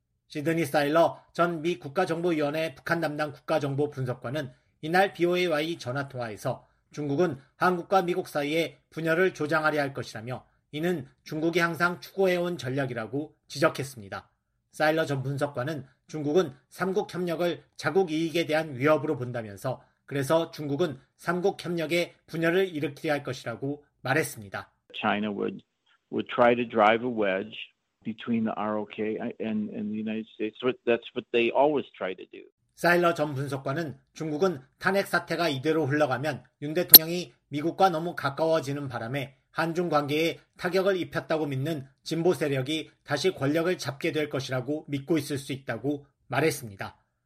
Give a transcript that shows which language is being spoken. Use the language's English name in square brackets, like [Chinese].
[Korean] 시드니 사일러 전 미 국가정보위원회 북한 담당 국가정보 분석관은 이날 BOA와의 전화통화에서 중국은 한국과 미국 사이에 분열을 조장하려 할 것이라며 이는 중국이 항상 추구해온 전략이라고 지적했습니다. 사일러 전 분석관은 중국은 3국협력을 자국 이익에 대한 위협으로 본다면서 그래서 중국은 3국협력의 분열을 일으키려 할 것이라고 말했습니다. [English] China would try to drive a wedge between the ROK and the United States. That's what they always try to do. [Korean] 사일러 전 분석관은 중국은 탄핵 사태가 이대로 흘러가면 윤 대통령이 미국과 너무 가까워지는 바람에 한중 관계에 타격을 입혔다고 믿는 진보 세력이 다시 권력을 잡게 될 것이라고 믿고 있을 수 있다고 말했습니다.